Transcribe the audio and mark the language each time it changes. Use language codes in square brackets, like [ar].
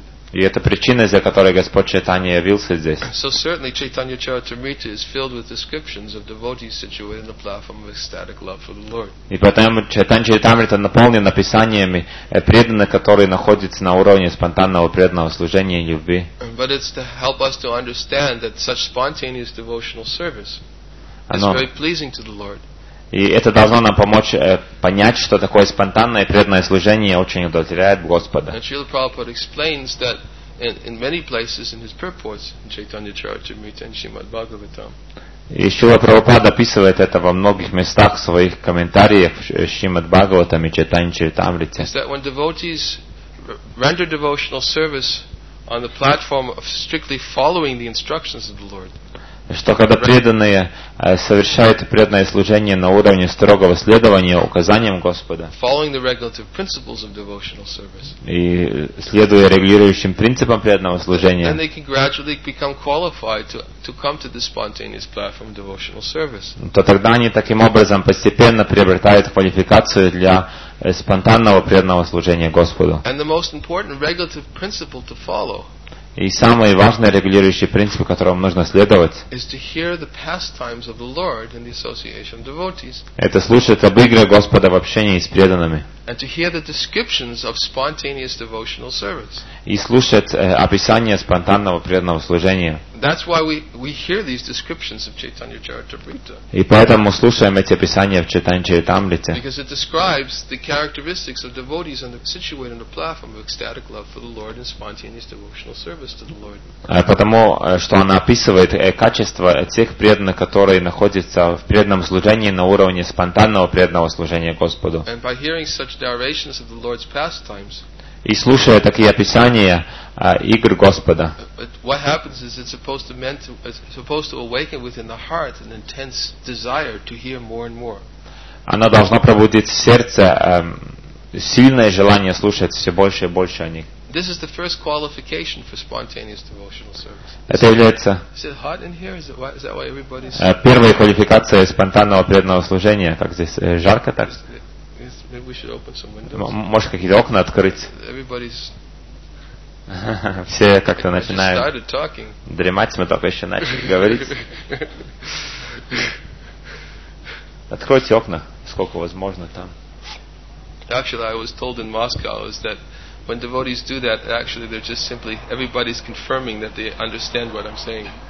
[ru] И это причина, из-за которой Господь Чайтанья явился здесь. [en] So certainly Chaitanya Charitamrita is filled with descriptions of devotees situated on the platform of ecstatic love for the Lord. [ru] И поэтому Чайтанья Чаритамрита наполнен описаниями преданных, которые находятся на уровне спонтанного преданного служения и любви. [en] But it's to help us to understand that such spontaneous devotional service is very pleasing to the Lord. [ru] И это должно нам помочь понять, что такое спонтанное преданное служение очень удовлетворяет Господа. [en] And Śrīla Prabhupāda explains that in many places in his purports in Chaitanya Charitamrita and Srimad Bhagavatam. [ru] И Шрила Прабхупада описывает это во многих местах в своих комментариях в Шримад Бхагаватам и Чайтанья Чаритамрите. [en] That when devotees render devotional service on the platform of strictly following the instructions of the Lord. [ru] Что когда преданные совершают преданное служение на уровне строгого следования указаниям Господа. [en] Following the regulative principles of devotional service. [ru] И следуя регулирующим принципам преданного служения. [en] Then they can gradually become qualified to come to the spontaneous platform of devotional service. [ru] То тогда они таким образом постепенно приобретают квалификацию для спонтанного преданного служения Господу. [en] And the most important regulative principle to follow. [ru] И самый важный регулирующий принцип, которому нужно следовать, это слушать об игре Господа в общении с преданными. [en] And to hear the descriptions of spontaneous devotional service. [ru] И слушать описание спонтанного преданного служения. [en] That's why we hear these descriptions of Chaitanya Charitamrita. [ru] И поэтому слушаем эти описания в Чайтанья Чаритамрите. [en] Because it describes the characteristics of devotees on the situated on the platform of ecstatic love for the Lord and spontaneous devotional service to the Lord. [ru] Потому что она описывает качества тех преданных, которые находятся в преданном служении на уровне спонтанного преданного служения Господу. [en] And by hearing such narrations of the Lord's pastimes. [ru] И слушая такие описания игр Господа. [en] What happens is it's supposed to awaken within the heart an intense desire to hear more and more. [ru] Оно должно пробудить в сердце сильное желание слушать все больше и больше о них. [en] This is the first qualification for spontaneous devotional service. [ru] Это является. [en] Is it hot in here? Is that why everybody's? [ru] Первая квалификация спонтанного преданного служения. Как здесь жарко так? [en] Maybe we should open some windows. [ru] Может какие-то окна открыть? [en] Everybody's. [ru] Все как-то начинают. [en] Just started talking. [ru] Дремать, мы только еще начали говорить. Откройте окна, сколько возможно там. [en] Actually, I was told in Moscow is that when devotees do that, actually they're just simply everybody's confirming that they understand what I'm saying.